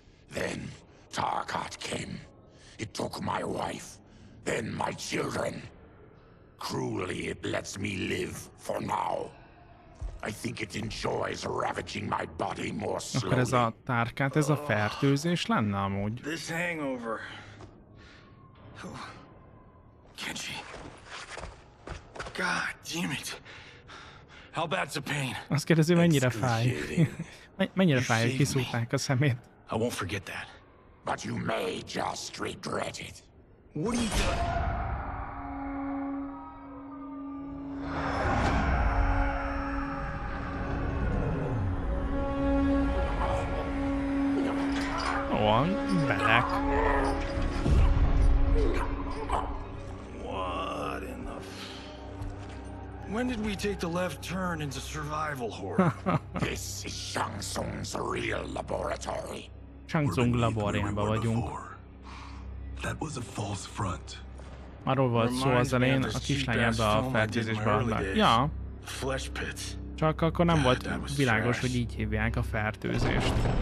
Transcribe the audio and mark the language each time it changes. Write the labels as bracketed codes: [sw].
[en] Then Tarkat came. It took my wife, then my children. Cruelly, it lets me live for now. I think it enjoys ravaging my body more slowly. [hu] Akkor ez a Tarkat, ez a fertőzés lenne amúgy. [en] This hangover. Who? Kenshi. God damn it. How bad's the pain? [hu] Azt kérdezi, mennyire fáj. Mennyire fáj, hogy kiszúrták a szemét. [en] I won't forget that. But you may just regret it. What are you doing? One back. What in the f- When did we take the left turn into survival horror? This is Shang Tsung's real laboratory. [hu] Shang Tsung laboratóriumban vagyunk. [en] That was a false front. [hu] Arról volt szó az elején, a kislány ebbe a fertőzésbe adnak. Ja. Csak akkor nem volt világos, hogy így hívják a fertőzést.